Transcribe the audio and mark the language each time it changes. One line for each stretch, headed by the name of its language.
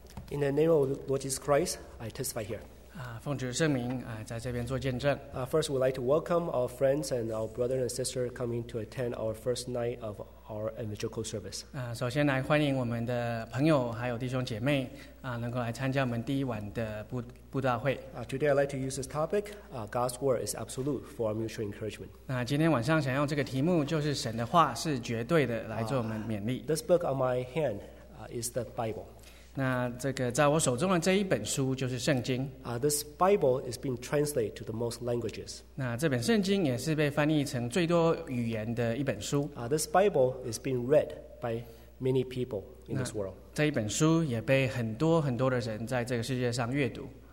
English: In the name of Lord Jesus Christ, I testify here.
Chinese: 奉主圣名，在这边做见证。
English: First, we'd like to welcome our friends and our brother and sister coming to attend our first night of our evangelical service.
Chinese: 首先来欢迎我们的朋友还有弟兄姐妹，能够来参加我们第一晚的布道会。
English: Today, I'd like to use this topic, God's Word is Absolute, for our mutual encouragement.
Chinese: 今天晚上想用这个题目，就是神的话是绝对的，来做我们勉励。
English: This book on my hand, is the Bible.
Chinese: 那这个在我手中的这一本书就是圣经。
English: This Bible is being translated to the most languages.
Chinese: 那这本圣经也是被翻译成最多语言的一本书。
English: This Bible is being read by many people in this world.
Chinese: 这一本书也被很多很多的人在这个世界上阅读。